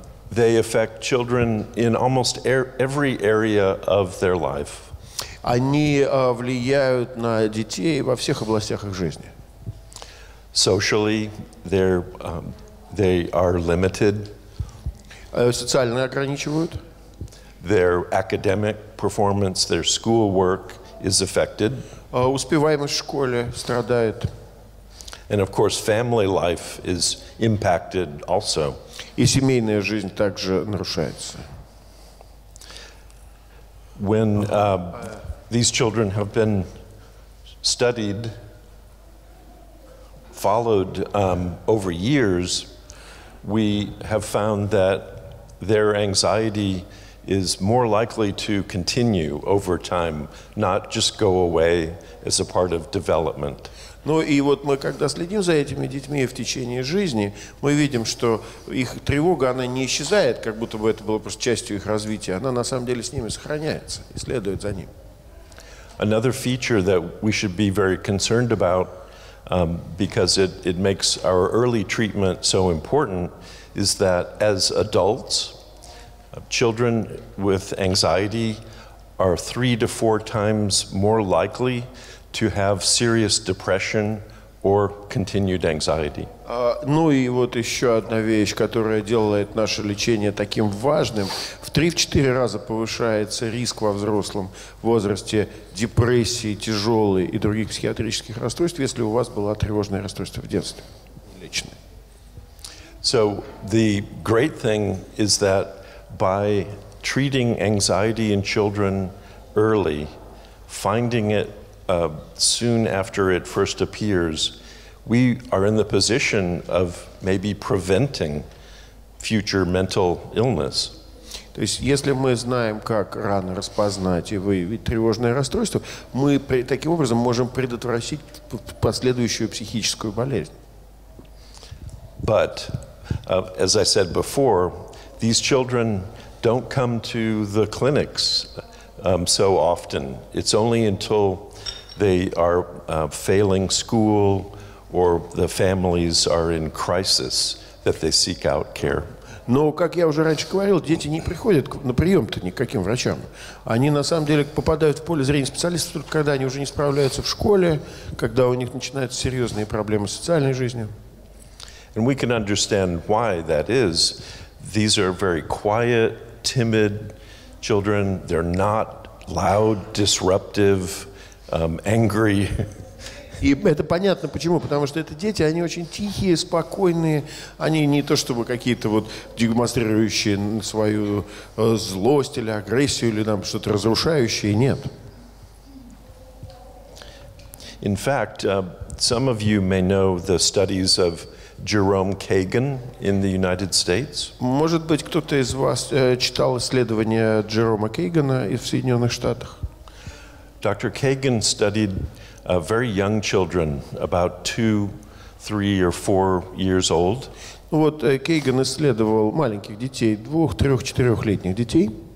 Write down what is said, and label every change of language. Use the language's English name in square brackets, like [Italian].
[English] They affect children in almost every area of their life. [Russian] Они влияют на детей во всех областях их жизни. [English] Socially, they are limited. [Russian] Социально ограничивают. [English] Their academic performance, their schoolwork is affected. [Russian] Успеваемость в школе страдает. [English] And of course, family life is impacted also. [Russian] И семейная жизнь также нарушается. [English] When these children have been studied, followed over years, we have found that their anxiety is more likely to continue over time, not just go away as a part of development. [Russian] Ну и вот мы, когда следим за этими детьми в течение жизни, мы видим, что их тревога, она не исчезает, как будто бы это было просто частью их развития. Она на самом деле с ними сохраняется и следует за ним. [English] Another feature that we should be very concerned about, because it makes our early treatment so important, is that as adults, children with anxiety are 3 to 4 times more likely to have serious depression or continued anxiety. [Russian] Ну и вот еще одна вещь, которая делает наше лечение таким важным. В 3-4 раза повышается риск во взрослом возрасте депрессии тяжелой и других психиатрических расстройств, если у вас было тревожное расстройство в детстве. Лечное. [English] So the great thing is that by treating anxiety in children early, finding it soon after it first appears, we are in the position of maybe preventing future mental illness. [Russian] То есть, если мы знаем, как рано распознать и выявить тревожное расстройство, мы таким образом можем предотвратить последующую психическую болезнь. [English] But, as I said before, these children don't come to the clinics so often. It's only until they are failing school or the families are in crisis that they seek out care. [Russian] Но, как я уже раньше говорил, дети не приходят на прием-то никаким врачам. Они на самом деле попадают в поле зрения специалистов только когда они уже не справляются в школе, когда у них начинаются серьезные проблемы с социальной жизнью. [English] And we can understand why that is. These are very quiet, timid children. They're not loud, disruptive, angry. [Russian] И это понятно почему, потому что это дети, они очень тихие, спокойные, они не то чтобы какие-то вот демонстрирующие свою злость или агрессию или там что-то разрушающее, нет. [English] In fact, some of you may know the studies of Jerome Kagan in the United States. [Russian] Может быть, кто-то из вас читал исследования Джерома Кейгана в Соединенных Штатах? [English] Dr. Kagan studied very young children, about 2, 3, or 4 years old. [Russian] Вот Кейган исследовал маленьких детей, 2, 3, 4-летних детей.